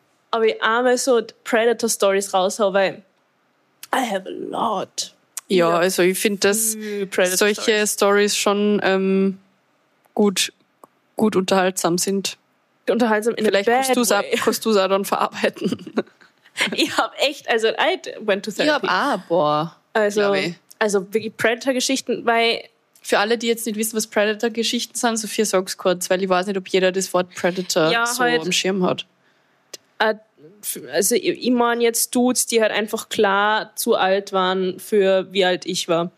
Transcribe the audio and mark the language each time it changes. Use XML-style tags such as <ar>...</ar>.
<de>Aber ich einmal so Predator-Stories raushau, weil</de> <en>I have a lot.</en> <de>Ja, also ich finde, dass solche Stories schon gut unterhaltsam sind. Unterhaltsam in vielleicht</de> <en>a bad way.</en> <de>Vielleicht musst du es auch dann verarbeiten. Ich habe echt, also</de> <en>I went to therapy.</en> <de>Ich habe auch ein paar, also wirklich Predator-Geschichten, weil... Für alle, die jetzt nicht wissen, was Predator-Geschichten sind, Sophia, sag es kurz, weil ich weiß nicht, ob jeder das Wort Predator am Schirm hat. Also ich meine jetzt Dudes, die halt einfach klar zu alt waren für wie alt ich war.</de>